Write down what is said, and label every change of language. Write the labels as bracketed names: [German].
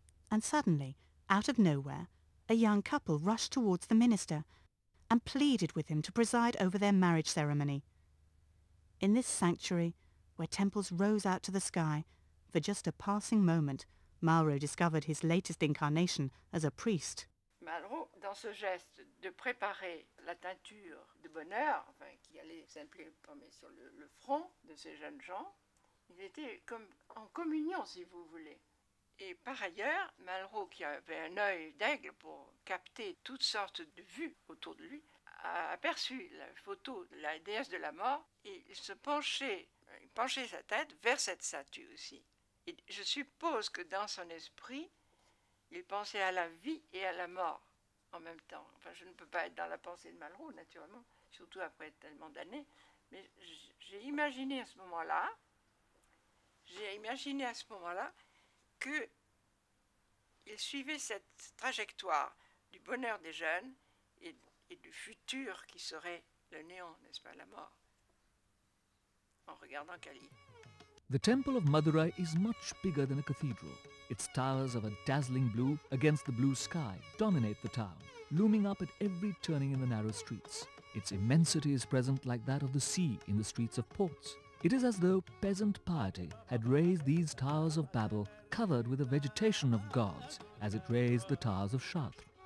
[English] And suddenly, out of nowhere, a young couple rushed towards the minister and pleaded with him to preside over their marriage ceremony. In this sanctuary, where temples rose out to the sky, for just a passing moment, Malraux discovered his latest incarnation as a priest. [French] Malraux, dans ce geste de préparer la teinture de bonheur, enfin, qui allait s'imprimer sur le front de ces jeunes gens, il était comme en communion, si vous voulez. Et par ailleurs, Malraux, qui avait un œil d'aigle pour capter toutes sortes de vues autour de lui, a aperçu la photo de la déesse de la mort et il penchait sa tête vers cette statue aussi. Et je suppose que dans son esprit, il pensait à la vie et à la mort en même temps. Enfin, je ne peux pas être dans la pensée de Malraux, naturellement, surtout après tellement d'années. Mais j'ai imaginé à ce moment-là, qu'il suivait cette trajectoire du bonheur des jeunes et du futur qui serait le néant, n'est-ce pas, la mort, en regardant Kali. [English] The temple of Madurai is much bigger than a cathedral. Its towers of a dazzling blue against the blue sky dominate the town, looming up at every turning in the narrow streets. Its immensity is present like that of the sea in the streets of ports. It is as though peasant piety had raised these towers of Babel covered with a vegetation of gods, as it raised the towers of Chartres.